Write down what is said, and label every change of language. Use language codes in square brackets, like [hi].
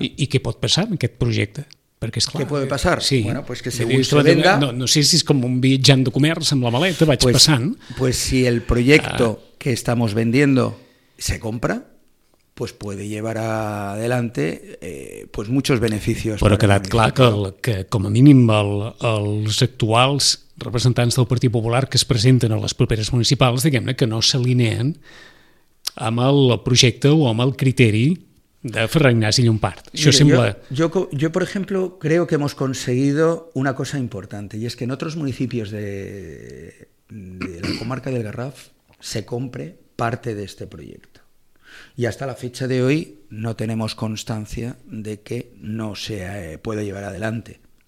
[es] ¿Y qué puede pasar en [ca] aquest projecte? Perquè és clar, [es] ¿qué puede pasar? Sí. Bueno, pues que según se venda... No sé si es como un [ca] viatjant de comerç amb la maleta, vaig pues, passant. [es] Pues si el proyecto que estamos vendiendo se compra, pues puede llevar adelante pues muchos beneficios. [ca] Però ha quedat clar que com a mínim els actuals representants del Partit Popular que es presenten a les properes municipals, diguem-ne, que no s'alineen amb el projecte o amb el criteri de Ferran Ignasi Llompart. Això mire, sembla... [es] Yo, por ejemplo, creo que hemos conseguido una cosa importante, y es que en otros municipios de la comarca del Garraf se compre parte de este proyecto. Y hasta la fecha de hoy no tenemos constancia de que no se pueda llevar adelante.